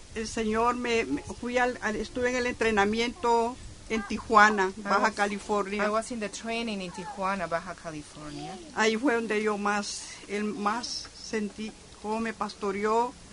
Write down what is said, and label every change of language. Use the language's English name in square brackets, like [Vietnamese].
[Spanish] El Señor estuve en el entrenamiento en Tijuana, Baja California. [English] I was in the training in Tijuana, Baja California. [Spanish] Ahí fue donde yo más, el más sentí cómo me pastoreó.